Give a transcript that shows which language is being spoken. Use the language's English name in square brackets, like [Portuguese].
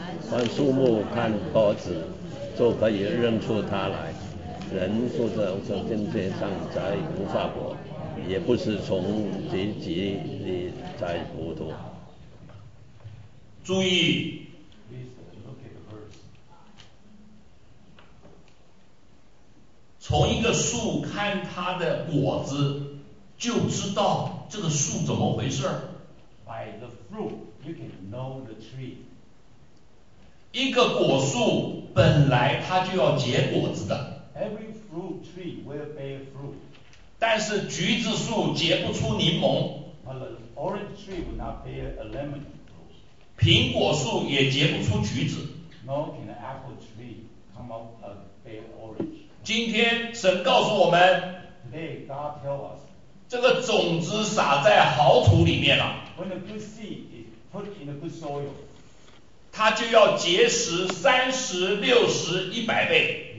[Chinese] 凡树木看果子就可以认出他来人住在境界上摘无花果也不是从自己里摘葡萄注意 [English] look at the verse. [Chinese] 从一个树看它的果子就知道这个树怎么回事 [English] by the fruit you can know the tree [Chinese] 一个果树本来它就要结果子的 [English] every fruit tree will bear fruit [Chinese] 但是橘子树结不出柠檬 [English] But the orange tree will not bear a lemon. [Chinese] 苹果树也结不出橘子 [English] Nor can the apple tree come out a bear orange. [Chinese] 今天神告诉我们 [English] Today God tell us [Chinese] 这个种子撒在好土里面了 [English] When the good seed is put in the good soil [Chinese] 它就要结实三十六十一百倍